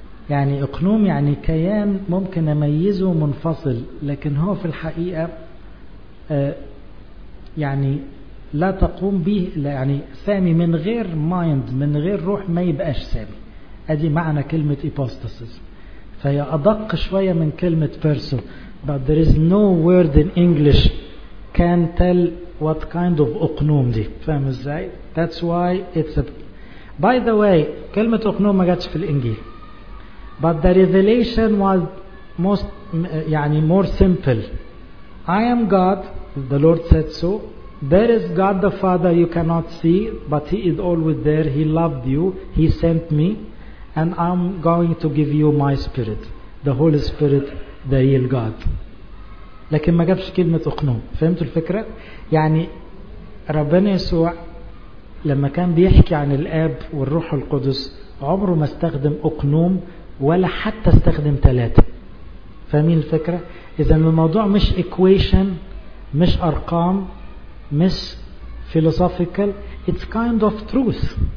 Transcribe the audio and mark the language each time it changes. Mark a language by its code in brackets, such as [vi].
[ar] يعني اقنوم يعني كيان ممكن اميزه منفصل، لكن هو في الحقيقة يعني لا تقوم به. يعني سامي من غير mind، من غير روح، ما يبقاش سامي. ادي معنى كلمة hypostasis، فهي ادق شوية من كلمة person. [en] But there is no word in English can tell what kind of أقنوم دي. [ar] فهم ازاي؟ [en] That's why it's a... By the way، [ar] كلمة أقنوم ما جاتش في الإنجيل، [en] but the revelation was most [ar] يعني [en] more simple. I am God، the Lord said so. There is God the Father you cannot see، but He is always there. He loved you، He sent me، and I'm going to give you my spirit، the Holy Spirit، the real God. [ar] لكن ما جابش كلمة أقنوم. فهمتوا الفكرة؟ يعني ربنا يسوع لما كان بيحكي عن الآب والروح القدس عمره ما استخدم أقنوم، ولا حتى استخدم ثلاثة. فاهمين الفكرة؟ إذا الموضوع مش equation، مش أرقام، مش philosophical، [en] it's kind of truth.